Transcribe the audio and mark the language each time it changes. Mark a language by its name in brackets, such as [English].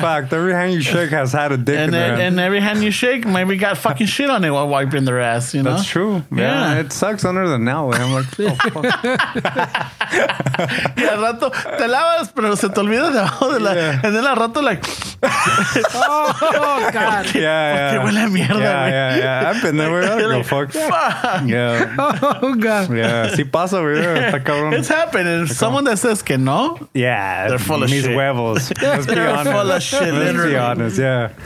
[English] Fun fact, every hand you shake has had a dick and in their hand. And every hand you shake, maybe got fucking shit on it while wiping their ass, you know? That's true. Yeah. Yeah. It sucks under the now. I'm like, oh, fuck. [Spanish] Y al rato, te lavas, pero se te olvida debajo de la... [English] And then [Spanish] al rato, [English] like... Oh, God. Yeah, yeah. [Spanish] Porque huele a mierda, güey. [English] Yeah, yeah, yeah. I've been there, güey. I don't go fuck. Yeah. Oh, God. [Spanish] Yeah. Sí pasa, güey. Está cabrón. [English] It's happening. Someone that says [Spanish] que no. [English] Yeah. They're full of shit. [Spanish] Mis huevos. [English] Let's be they're honest. Full of shit, literally. Let's be honest, yeah.